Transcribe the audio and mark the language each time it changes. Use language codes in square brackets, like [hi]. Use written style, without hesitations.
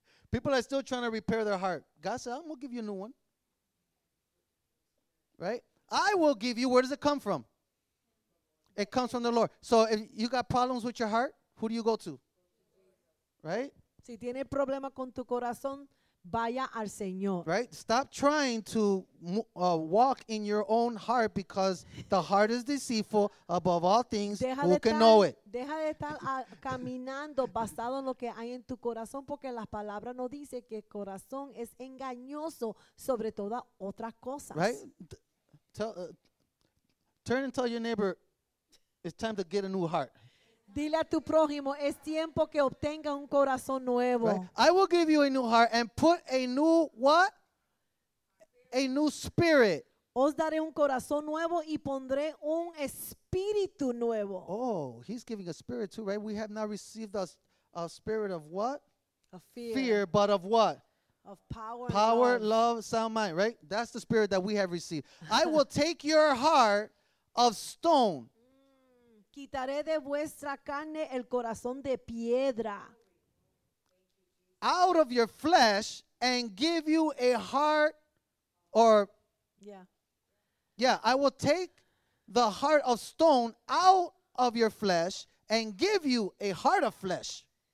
[en] People are still trying to repair their heart. God said, I'm going to give you a new one. Right? I will give you, where does it come from? It comes from the Lord. So if you got problems with your heart, who do you go to? Right? [es] Si tiene problema con tu corazón, vaya al Señor. [en] Right? Stop trying to walk in your own heart because the heart is deceitful above all things. Who can know it? [es] Deja de estar caminando basado en lo que hay en tu corazón porque la palabra no dice que el corazón es engañoso sobre todas otras cosas. [en] Right? Turn and tell your neighbor, it's time to get a new heart. [es] Dile a tu prójimo, es tiempo que obtenga un corazón nuevo. [en] Right? I will give you a new heart and put a new what? A new spirit. [es] Os daré un corazón nuevo y pondré un espíritu nuevo. [en] Oh, he's giving a spirit too, right? We have not received a spirit of what? Of fear. Fear, but of what? Of power. Power, love, sound mind, right? That's the spirit that we have received. I will take your heart of stone. [es] Quitaré de vuestra carne el corazón de piedra. [en] Out of your flesh and give you a heart I will take the heart of stone out of your flesh and give you a heart of flesh.